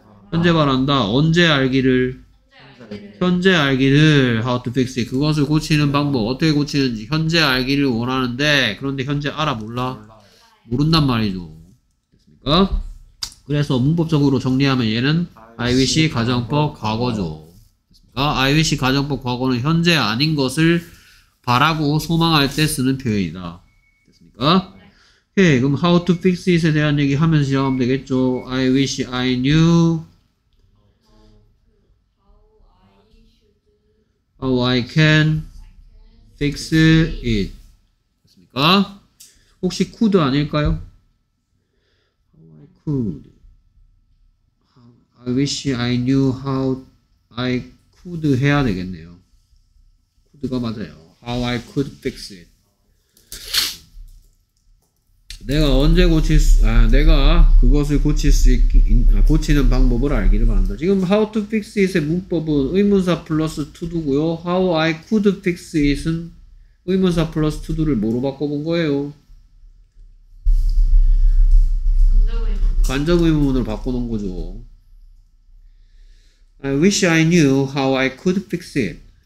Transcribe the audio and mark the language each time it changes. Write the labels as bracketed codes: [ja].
[ko] 현재 바란다. 언제 알기를? 현재 알기를 [en] how to fix it [ko] 그것을 고치는 방법 어떻게 고치는지 현재 알기를 원하는데 그런데 현재 알아 몰라? 모른단 말이죠. 됐습니까? 그래서 문법적으로 정리하면 얘는 I wish 가정법 과거죠. 됐습니까? I wish 가정법 과거는 현재 아닌 것을 바라고 소망할 때 쓰는 표현이다. 됐습니까? 오케이. 그럼 [en] how to fix it [ko] 에 대한 얘기 하면서 시작하면 되겠죠. [en] I wish I knew how I can fix it. [ko] 됐습니까? 혹시 [en] could [ko] 아닐까요? [en] How I could. I wish I knew how I could [ko] 해야 되겠네요. [en] could가 [ko] 맞아요. [en] How I could fix it. [ko] 내가 언제 고칠 수, 아, 내가 그것을 고칠 수 있, 고치는 방법을 알기를 바란다. 지금 [en] how to fix it [ko] 의 문법은 의문사 플러스 to도고요. [en] how I could fix it [ko] 은 의문사 플러스 to도를 뭐로 바꿔본 거예요? 간접 의문문으로 바꿔놓은 거죠. [en] I wish I knew how I could fix it.